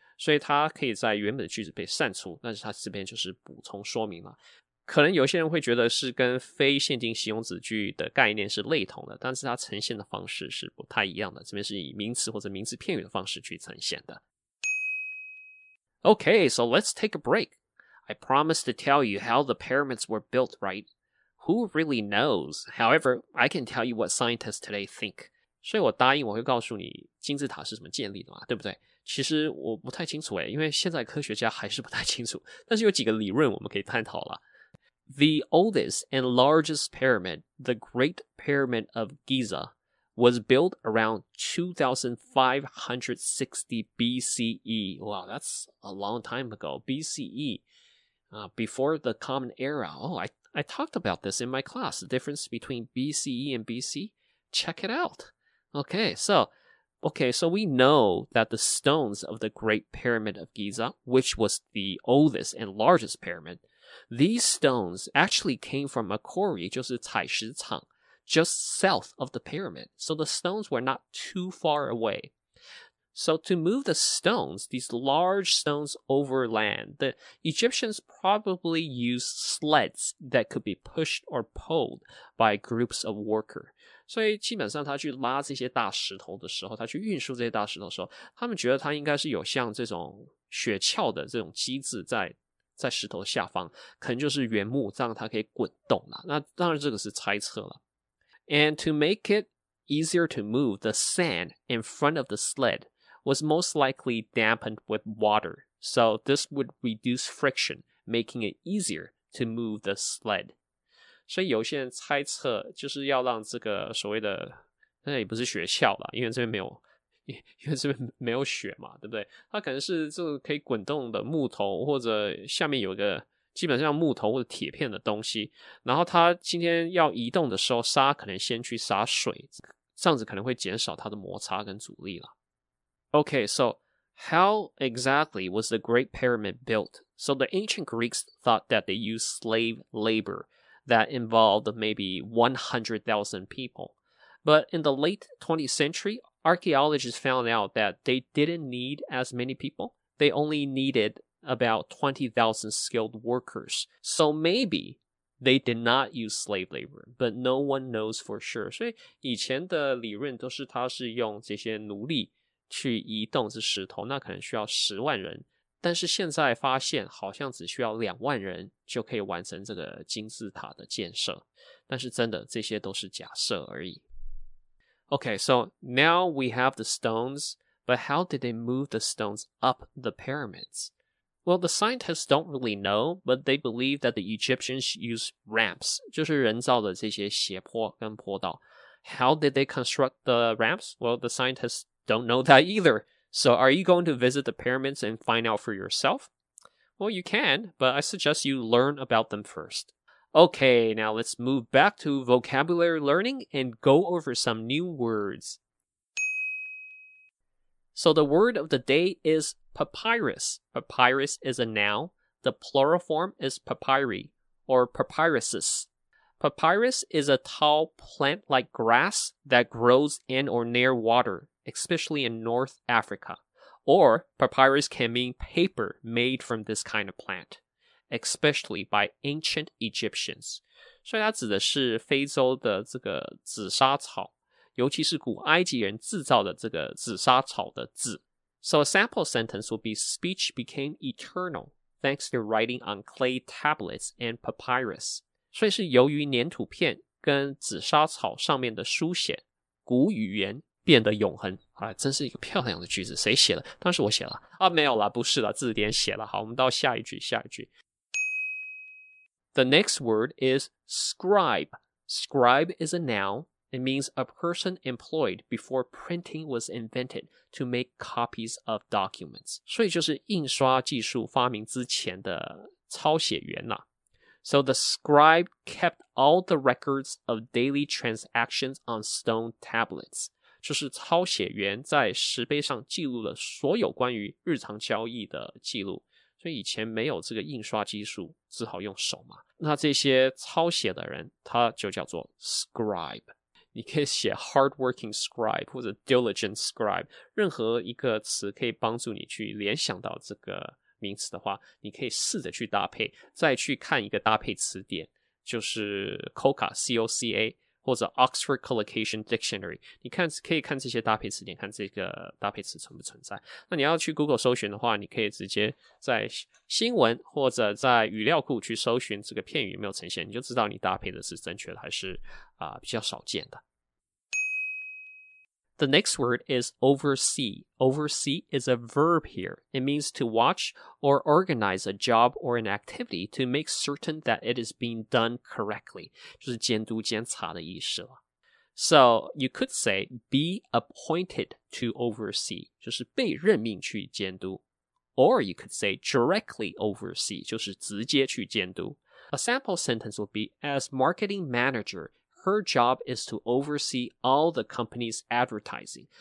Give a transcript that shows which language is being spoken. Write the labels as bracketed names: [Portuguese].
[Chinese] 所以它可以在原本的句子被删除，但是它这边就是补充说明了。可能有些人会觉得是跟非限定形容子句的概念是类同的，但是它呈现的方式是不太一样的，这边是以名词或者名词片语的方式去呈现的。 [English] Okay, so let's take a break. I promise to tell you how the pyramids were built, right? Who really knows? However, I can tell you what scientists today think. [Chinese] 所以我答应我会告诉你金字塔是怎么建立的嘛，对不对？其实我不太清楚，因为现在科学家还是不太清楚，但是有几个理论我们可以探讨了。 [English] The oldest and largest pyramid, the Great Pyramid of Giza, was built around 2560 BCE. Wow, that's a long time ago. BCE, before the Common Era. Oh, I talked about this in my class, the difference between BCE and BC. Check it out. Okay, so we know that the stones of the Great Pyramid of Giza, which was the oldest and largest pyramid,These stones actually came from a quarry, [Chinese] 就是采石场, [English] just south of the pyramid. So the stones were not too far away. So to move the stones, these large stones over land, the Egyptians probably used sleds that could be pushed or pulled by groups of workers. [Chinese] 所以基本上他去拉这些大石头的时候，他去运输这些大石头的时候，他们觉得他应该是有像这种雪橇的这种机制在石头下方，可能就是原木，这样它可以滚动啦。那当然这个是猜测了。 [English] And to make it easier to move, the sand in front of the sled was most likely dampened with water. So this would reduce friction, making it easier to move the sled. [Chinese] 所以有些人猜测就是要让这个所谓的，那也不是雪橇啦，因为这边没有雪嘛，对不对？它可能是这个可以滚动的木头，或者下面有一个基本上木头或者铁片的东西。然后它今天要移动的时候，沙可能先去洒水，这样子可能会减少它的摩擦跟阻力了。 [English] Okay, so how exactly was the Great Pyramid built? So the ancient Greeks thought that they used slave labor that involved maybe 100,000 people. But in the late 20th century,Archaeologists found out that they didn't need as many people. They only needed about 20,000 skilled workers. So maybe they did not use slave labor, but no one knows for sure. [Chinese] 所以以前的理论都是他是用这些奴隶去移动这石头，那可能需要十万人。但是现在发现好像只需要两万人就可以完成这个金字塔的建设。但是真的，这些都是假设而已。 [English] Okay, so now we have the stones, but how did they move the stones up the pyramids? Well, the scientists don't really know, but they believe that the Egyptians used ramps, [Chinese] 就是人造的这些斜坡跟坡道。 [English] How did they construct the ramps? Well, the scientists don't know that either. So are you going to visit the pyramids and find out for yourself? Well, you can, but I suggest you learn about them first. Okay, now let's move back to vocabulary learning and go over some new words. So the word of the day is papyrus. Papyrus is a noun. The plural form is papyri or papyruses. Papyrus is a tall plant-like grass that grows in or near water, especially in North Africa. Or papyrus can mean paper made from this kind of plant. Especially by ancient Egyptians. [Chinese] 所以它指的是非洲的这个紫砂草，尤其是古埃及人制造的这个紫砂草的紫。 [English] So a sample sentence would be speech became eternal thanks to writing on clay tablets and papyrus. [Chinese] 所以是由于粘土片跟紫砂草上面的书写，古语言变得永恒。啊，真是一个漂亮的句子，谁写的？当时我写了。啊，没有啦，不是啦，字典写了。好，我们到下一句，下一句。 [English] The next word is scribe. Scribe is a noun. It means a person employed before printing was invented to make copies of documents. [Chinese] 所以就是印刷技术发明之前的抄写员啦。 [English] So the scribe kept all the records of daily transactions on stone tablets. [Chinese] 就是抄写员在石碑上记录了所有关于日常交易的记录。所以以前没有这个印刷技术，只好用手嘛。那这些抄写的人，他就叫做 scribe。你可以写 [English] hardworking scribe [Chinese] 或者 [English] diligent scribe， [Chinese] 任何一个词可以帮助你去联想到这个名词的话，你可以试着去搭配，再去看一个搭配词典，就是 COCA COCA 或者 Oxford Collocation Dictionary， 你看可以看这些搭配词典，看这个搭配词存不存在。那你要去 Google 搜寻的话，你可以直接在新闻或者在语料库去搜寻这个片语有没有呈现，你就知道你搭配的是正确的还是比较少见的。 [English] The next word is oversee. Oversee is a verb here. It means to watch or organize a job or an activity to make certain that it is being done correctly. [Chinese] 就是监督监察的意思了。 [English] So you could say be appointed to oversee, [Chinese] 就是被任命去监督。 [English] Or you could say directly oversee, [Chinese] 就是直接去监督。 [English] A sample sentence would be as marketing manager,Her job is to oversee all the company's advertising.